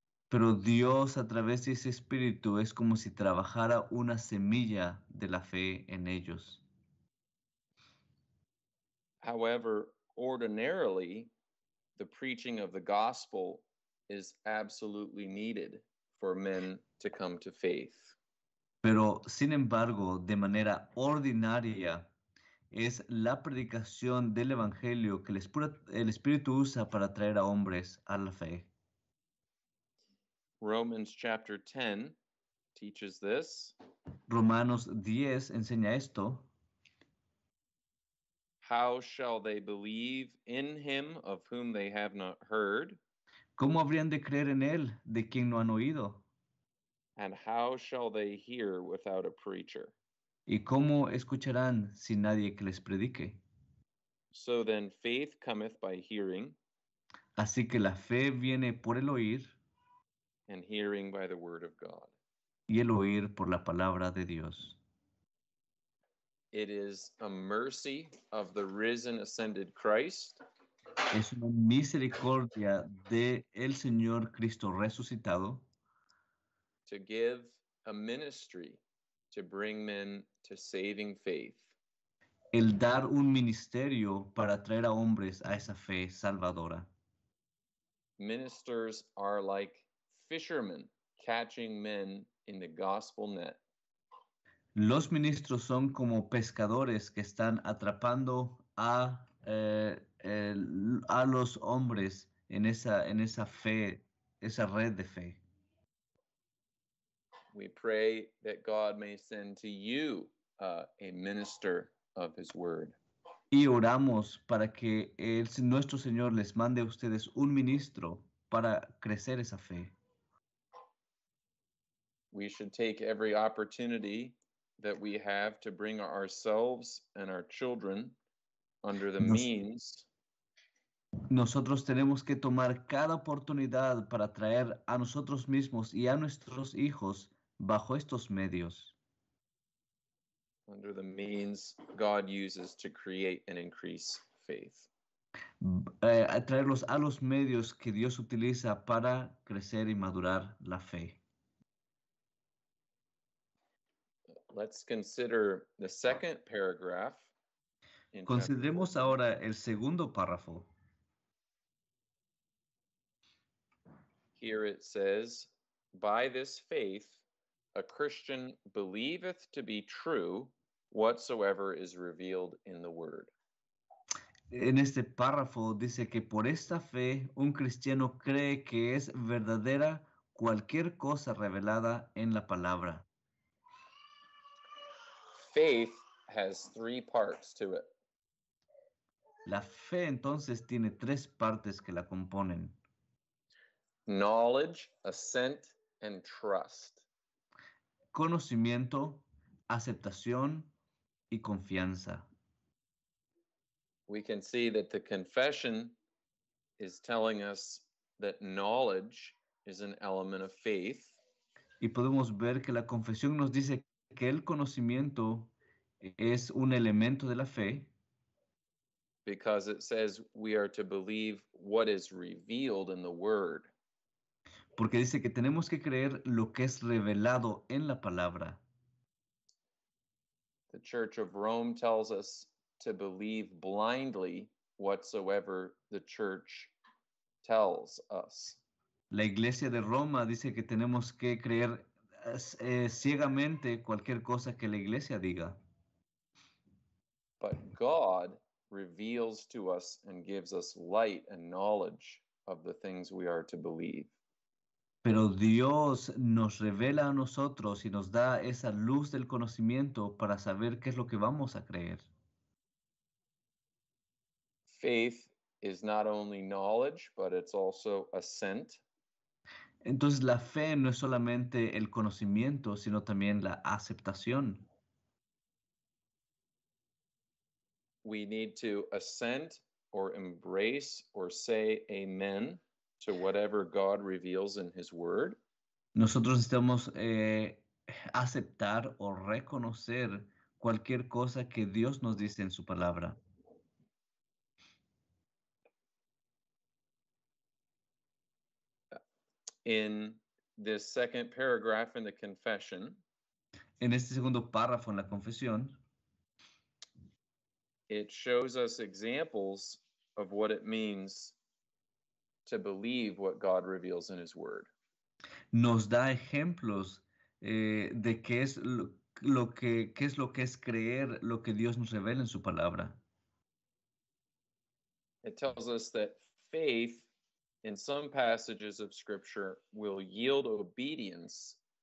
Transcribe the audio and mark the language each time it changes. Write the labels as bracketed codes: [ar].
[es] Pero Dios, a través de ese Espíritu, es como si trabajara una semilla de la fe en ellos. [en] However, ordinarily, the preaching of the gospel is absolutely needed for men to come to faith. [es] Pero, sin embargo, de manera ordinaria, es la predicación del Evangelio que el Espíritu usa para traer a hombres a la fe. [en] Romans chapter 10 teaches this. [es] Romanos 10 enseña esto. [en] How shall they believe in him of whom they have not heard? [es] ¿Cómo habrían de creer en él de quien no han oído? [en] And how shall they hear without a preacher? [es] ¿Y cómo escucharán sin nadie que les predique? [en] So then faith cometh by hearing. [es] Así que la fe viene por el oír. [en] And hearing by the word of God. [es] Y el oír por la palabra de Dios. [en] It is a mercy of the risen, ascended Christ. [es] Es una misericordia de el Señor Cristo resucitado. [en] To give a ministry to bring men to saving faith. [es] El dar un ministerio para traer a hombres a esa fe salvadora. [en] Ministers are like fishermen catching men in the gospel net. [es] Los ministros son como pescadores que están atrapando a los hombres en esa fe, esa red de fe. [en] We pray that God may send to you a minister of his word. [es] Y oramos para que nuestro Señor les mande a ustedes un ministro para crecer esa fe. [en] We should take every opportunity that we have to bring ourselves and our children under the means. [es] Nosotros tenemos que tomar cada oportunidad para traer a nosotros mismos y a nuestros hijos bajo estos medios. [en] Under the means God uses to create and increase faith. [es] Traerlos a los medios que Dios utiliza para crecer y madurar la fe. [en] Let's consider the second paragraph. [es] Consideremos ahora el segundo párrafo. [en] Here it says, by this faith, a Christian believeth to be true whatsoever is revealed in the word. [es] En este párrafo dice que por esta fe, un cristiano cree que es verdadera cualquier cosa revelada en la palabra. [en] Faith has three parts to it. [es] La fe entonces tiene tres partes que la componen. [en] Knowledge, assent, and trust. [es] Conocimiento, aceptación y confianza. [en] We can see that the confession is telling us that knowledge is an element of faith. [es] Y podemos ver que la confesión nos dice que el conocimiento es un elemento de la fe. [en] Because it says we are to believe what is revealed in the word. [es] Porque dice que tenemos que creer lo que es revelado en la palabra. [en] The Church of Rome tells us to believe blindly whatsoever the church tells us. [es] La Iglesia de Roma dice que tenemos que creer ciegamente cualquier cosa que la Iglesia diga. [en] But God reveals to us and gives us light and knowledge of the things we are to believe. [es] Pero Dios nos revela a nosotros y nos da esa luz del conocimiento para saber qué es lo que vamos a creer. [en] Faith is not only knowledge, but it's also assent. [es] Entonces la fe no es solamente el conocimiento, sino también la aceptación. [en] We need to assent or embrace or say amen to whatever God reveals in his word. [es] Nosotros necesitamos aceptar o reconocer cualquier cosa que Dios nos dice en su palabra. [en] In this second paragraph in the confession. [es] En este segundo párrafo en la confesión. [en] It shows us examples of what it means to believe what God reveals in his word. [es] Nos da ejemplos de qué es creer lo que Dios nos revela en su palabra. [en] It tells us that faith in some passages of scripture will yield obedience